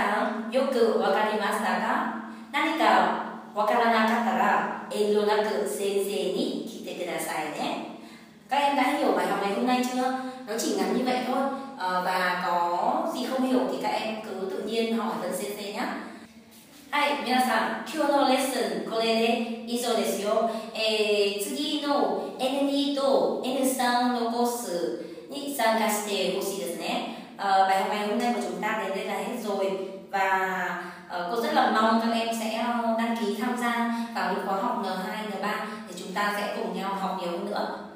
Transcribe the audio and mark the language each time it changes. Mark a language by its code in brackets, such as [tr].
[ja] みなさんよくわかりましたか?何かわからなかったら遠慮なく先生に聞いてくださいね. [vi] Các em đã hiểu bài học ngày hôm nay chưa? Nó chỉ ngắn như vậy thôi. Và có gì không hiểu thì các em cứ tự nhiên hỏi thân CC nhé. [ja] Hai, みなさん, 今日のレッスンこれで以上ですよ. 次の N2 と N3 のコースに参加してほしいですね. [vi] Bài học ngày hôm nay của chúng ta đến đây là hết rồi. Và cô rất là mong các em sẽ đăng ký tham gia vào những khóa học N2, N3 để chúng ta sẽ cùng nhau học nhiều hơn nữa.